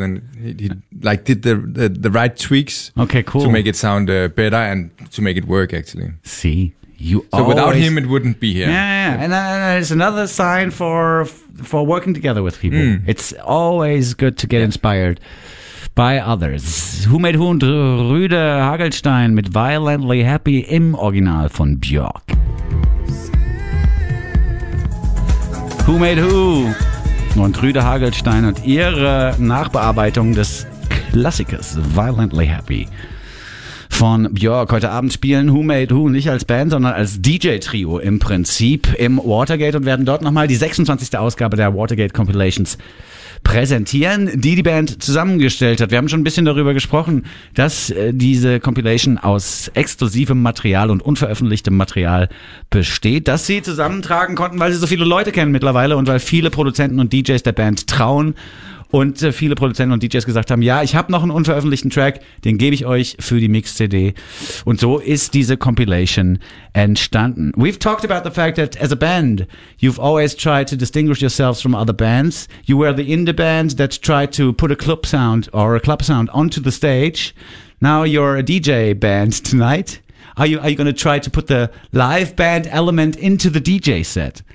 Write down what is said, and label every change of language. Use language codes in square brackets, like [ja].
[en] And he like did the right tweaks. Okay, cool. To make it sound better and to make it work, actually. See, you are. So without him, it wouldn't be here. Yeah. And it's another sign for working together with people. Mm. It's always good to get inspired by others. [de] Humed Hund, Rüde Hagelstein mit Violently Happy im Original von Björk. Humed Who? Und Rüde Hagelstein und ihre Nachbearbeitung des Klassikers Violently Happy von Björk. Heute Abend spielen Who Made Who nicht als Band, sondern als DJ-Trio im Prinzip im Watergate und werden dort nochmal die 26. Ausgabe der Watergate Compilations präsentieren, die die Band zusammengestellt hat. Wir haben schon ein bisschen darüber gesprochen, dass diese Compilation aus exklusivem Material und unveröffentlichtem Material besteht, dass sie zusammentragen konnten, weil sie so viele Leute kennen mittlerweile und weil viele Produzenten und DJs der Band trauen. Und viele Produzenten und DJs gesagt haben, ja, ich habe noch einen unveröffentlichten Track, den gebe ich euch für die Mix-CD. Und so ist diese Compilation entstanden. [en] We've talked about the fact that as a band, you've always tried to distinguish yourselves from other bands. You were the indie band that tried to put a club sound or a club sound onto the stage. Now you're a DJ band tonight. Are you going to try to put the live band element into the DJ set?